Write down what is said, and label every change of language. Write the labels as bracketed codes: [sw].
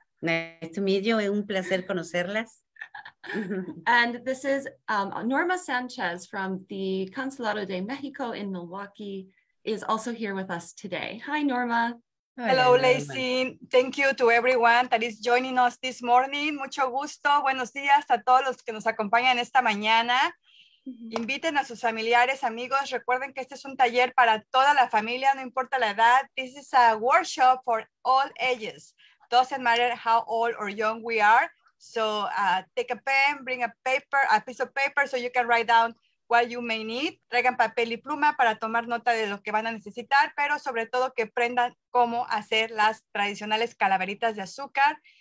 [en] Nice to meet you. [es] Un placer conocerlas. [en] And this is Norma Sanchez from the Consulado de México in Milwaukee is also here with us today. Hi, Norma. Hello, Lacey. Thank you to everyone that is joining us this morning. [es] Mucho gusto. Buenos días a todos los que nos acompañan esta mañana. Inviten a sus familiares, amigos. Recuerden que este es un taller para toda la familia, no importa la edad. [en] This is a workshop for all ages. Doesn't matter how old or young we are. So take a pen, bring a paper, a piece of paper, so you can write down what you may need. [es] Traigan papel y pluma para tomar nota de lo que van a necesitar, pero sobre todo que aprendan cómo hacer las tradicionales calaveritas de azúcar.